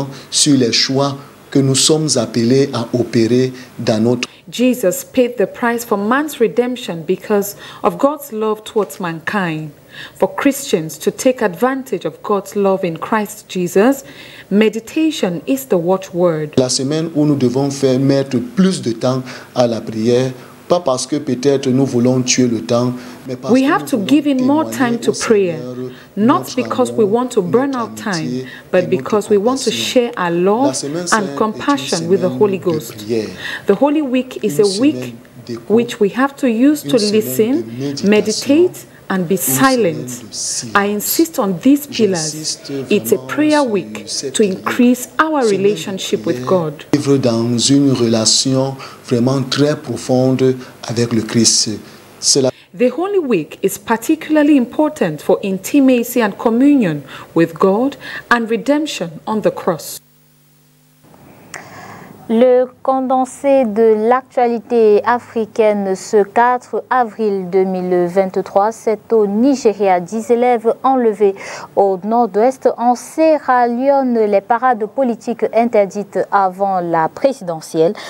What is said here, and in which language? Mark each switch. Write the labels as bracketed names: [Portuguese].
[French] Sur les choix que nous sommes appelés à opérer dans notre. [English] Jesus paid the price for man's redemption because of God's love towards mankind. For Christians to take advantage of God's love in Christ Jesus, meditation is the watchword. [French] La semaine où nous devons faire mettre plus de temps à la prière pas parce que peut-être nous voulons tuer le temps, mais parce [English] we have to give him more time to prayer, not because we want to burn out time, but because we want to share our love and compassion with the Holy Ghost. The Holy Week is a week which we have to use to listen, meditate, and be silent. I insist on these pillars. It's a prayer week to increase our relationship with God. [French] Vivre dans une relation vraiment très profonde avec le Christ. [English] The Holy Week is particularly important for intimacy and communion with God and redemption on the cross. [French] Le condensé de l'actualité africaine ce 4 avril 2023, c'est au Nigeria, 10 élèves enlevés au nord-ouest. En Sierra Leone, les parades politiques interdites avant la présidentielle.